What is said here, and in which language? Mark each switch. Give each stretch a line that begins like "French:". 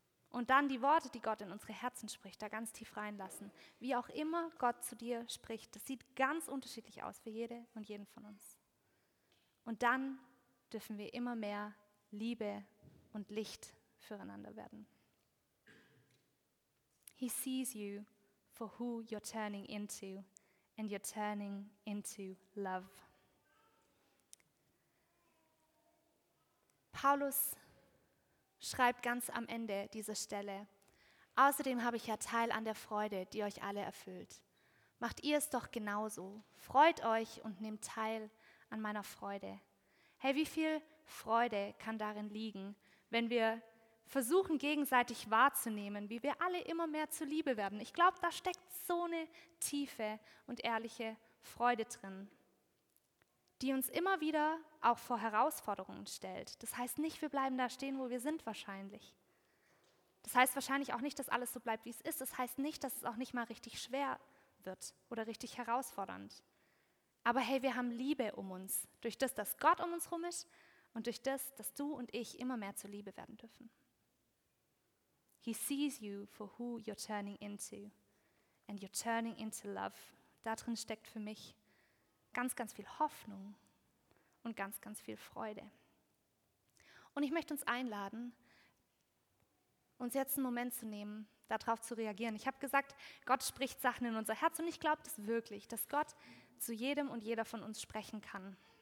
German: Und dann die Worte, die Gott in unsere Herzen spricht, da ganz tief reinlassen. Wie auch immer Gott zu dir spricht, das sieht ganz unterschiedlich aus für jede und jeden von uns. Und dann dürfen wir immer mehr Liebe und Licht füreinander werden.
English: He sees you for who you're turning into, and you're turning into love.
German: Paulus schreibt ganz am Ende dieser Stelle: Außerdem habe ich ja Teil an der Freude, die euch alle erfüllt. Macht ihr es doch genauso. Freut euch und nehmt teil an meiner Freude. Hey, wie viel Freude kann darin liegen, wenn wir versuchen, gegenseitig wahrzunehmen, wie wir alle immer mehr zur Liebe werden. Ich glaube, da steckt so eine tiefe und ehrliche Freude drin, die uns immer wieder auch vor Herausforderungen stellt. Das heißt nicht, wir bleiben da stehen, wo wir sind wahrscheinlich. Das heißt wahrscheinlich auch nicht, dass alles so bleibt, wie es ist. Das heißt nicht, dass es auch nicht mal richtig schwer wird oder richtig herausfordernd. Aber hey, wir haben Liebe um uns, durch das, dass Gott um uns rum ist und durch das, dass du und ich immer mehr zur Liebe werden dürfen.
English: He sees you for who you're turning into, and you're turning into love.
German: Darin steckt für mich ganz, ganz viel Hoffnung und ganz, ganz viel Freude. Und ich möchte uns einladen, uns jetzt einen Moment zu nehmen, darauf zu reagieren. Ich habe gesagt, Gott spricht Sachen in unser Herz und ich glaube das wirklich, dass Gott zu jedem und jeder von uns sprechen kann.